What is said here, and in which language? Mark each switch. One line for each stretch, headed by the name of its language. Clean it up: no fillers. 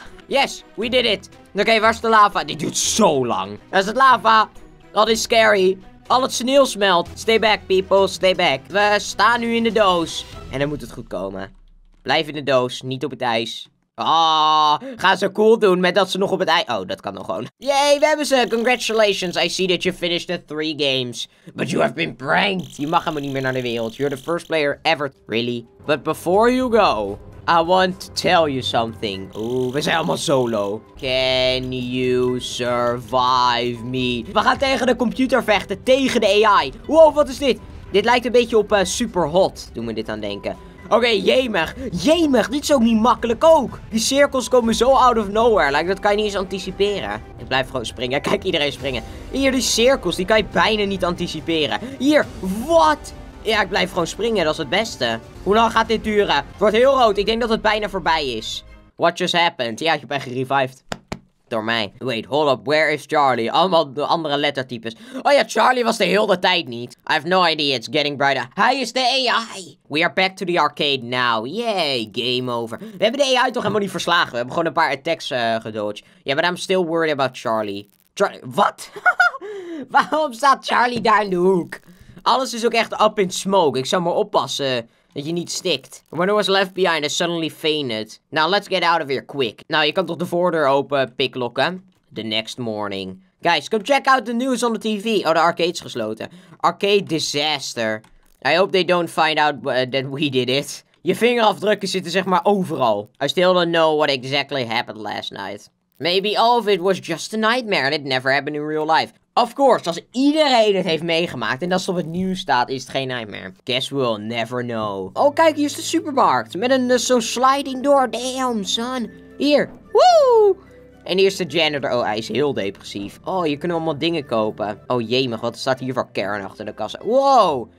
English: Yes, we did it.
Dutch: Oké, waar is de lava? Dit duurt zo lang. Waar is het lava? Dat is scary. Al het sneeuw smelt.
English: Stay back, people, stay back.
Dutch: We staan nu in de doos. En dan moet het goed komen. Blijf in de doos, niet op het ijs. Ah, oh, gaan ze cool doen met dat ze nog op het ei... Oh, dat kan nog gewoon. Yay, we hebben ze.
English: Congratulations, I see that you finished the 3 games. But you have been pranked.
Dutch: Je mag helemaal niet meer naar de wereld.
English: You're the first player ever. Really? But before you go, I want to tell you something.
Dutch: Oeh, we zijn allemaal solo.
English: Can you survive me?
Dutch: We gaan tegen de computer vechten, tegen de AI. Wow, wat is dit? Dit lijkt een beetje op super hot, doen we dit aan denken. Oké, jemig. Jemig, dit is ook niet makkelijk ook. Die cirkels komen zo
English: out of nowhere.
Dutch: Like, dat kan je niet eens anticiperen. Ik blijf gewoon springen. Kijk, iedereen springen. Hier, die cirkels, die kan je bijna niet anticiperen. Hier, wat? Ja, ik blijf gewoon springen, dat is het beste. Hoe lang gaat dit duren? Het wordt heel rood. Ik denk dat het bijna voorbij is.
English: What just happened?
Dutch: Ja, je bent gerevived. Door mij.
English: Wait, hold up, where is Charlie?
Dutch: Allemaal de andere lettertypes. Oh ja, Charlie was de hele tijd niet.
English: I have no idea, it's getting brighter.
Dutch: Hij is de AI.
English: We are back to the arcade now. Yay, game over.
Dutch: We hebben de AI toch helemaal niet verslagen. We hebben gewoon een paar attacks gedodged.
English: Ja, yeah, but I'm still worried about Charlie.
Dutch: Charlie, wat? Waarom staat Charlie daar in de hoek? Alles is ook echt
English: up in smoke.
Dutch: Ik zou maar oppassen... Dat je niet stikt.
English: When I was left behind, I suddenly fainted. Now, let's get out of here quick.
Dutch: Nou, je kan toch de voordeur open picklocken?
English: The next morning. Guys, come check out the news on the TV.
Dutch: Oh, de arcade is gesloten.
English: Arcade disaster. I hope they don't find out that we did it.
Dutch: Je vingerafdrukken zitten zeg maar overal.
English: I still don't know what exactly happened last night. Maybe all of it was just a nightmare and it never happened in real life.
Dutch: Of course, als iedereen het heeft meegemaakt en dat het op het nieuws staat, is het geen nightmare.
English: Guess we'll never know.
Dutch: Oh, kijk, hier is de supermarkt. Met een zo'n sliding door.
English: Damn, son.
Dutch: Hier. Woo! En hier is de janitor. Oh, hij is heel depressief. Oh, hier kunnen we allemaal dingen kopen. Oh, jemig, wat staat hier voor Karen achter de kassa? Wow!